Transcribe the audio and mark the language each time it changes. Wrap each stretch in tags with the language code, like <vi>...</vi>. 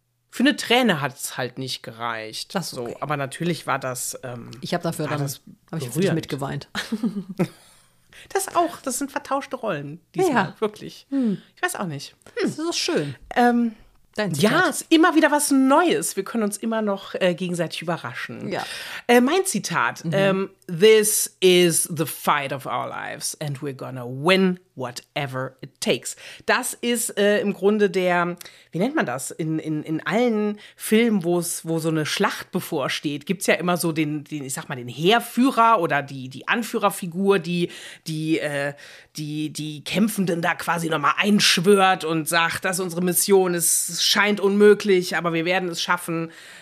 <de>Für eine Träne hat es halt nicht gereicht. Das ist okay. So, aber natürlich war das. Ich habe dafür dann habe ich wirklich mitgeweint. Das auch. Das sind vertauschte Rollen diesmal wirklich. Hm. Ich weiß auch nicht. Das ist schön. Dein Zitat. Ja, es ist immer wieder was Neues. Wir können uns immer noch gegenseitig überraschen. Ja. Mein Zitat:</de> <en>This is the fight of our lives and we're gonna win whatever it takes.</en> <de>Das ist im Grunde der, wie nennt man das? In allen Filmen, wo so eine Schlacht bevorsteht, gibt es ja immer so den Heerführer oder die Anführerfigur, die Kämpfenden da quasi nochmal einschwört und sagt, das ist unsere Mission, es scheint unmöglich, aber wir werden es schaffen.</de>